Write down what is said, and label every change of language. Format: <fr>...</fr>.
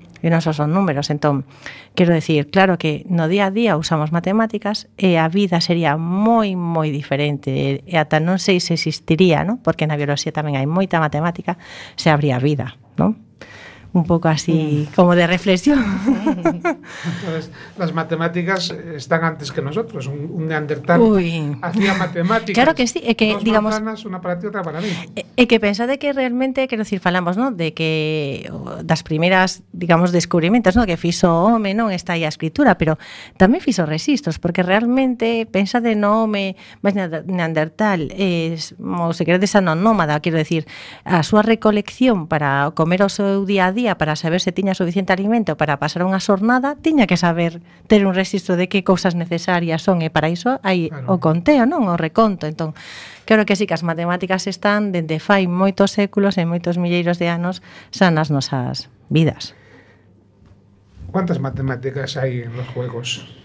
<gl>E non só son números, entón, quero decir, claro que no día a día usamos matemáticas e a vida sería moi, moi diferente e ata non sei se existiría, ¿no?, porque na bioloxía tamén hai moita matemática, se habría vida, ¿no? Un pouco así como de reflexión.</gl> <es>Entonces, las matemáticas están antes que nosotros. Un neandertal hacía matemáticas. Claro que sí, que dos, digamos, manzanas, una para ti, otra para mí.</es> <gl>E que pensade que realmente, quero decir, falamos, ¿no?, de que das primeiras, digamos, descubrimentos, ¿no?, que fixo o home, ¿no?, está aí a escritura, pero tamén fixo rexistros, porque realmente pensade no home, mas neandertal, ou se queredes a nómada, quero decir, a súa recolección para comer o seu día a día, para saber se tiña suficiente alimento para pasar unha xornada, tiña que saber ter un rexistro de que cousas necesarias son, e para iso hai claro o conteo, non o reconto. Entón, creo que sí, que as matemáticas están dende fai moitos séculos e moitos milleiros de anos sanas nosas vidas. Quantas matemáticas hai</gl> <es>en los juegos?</es>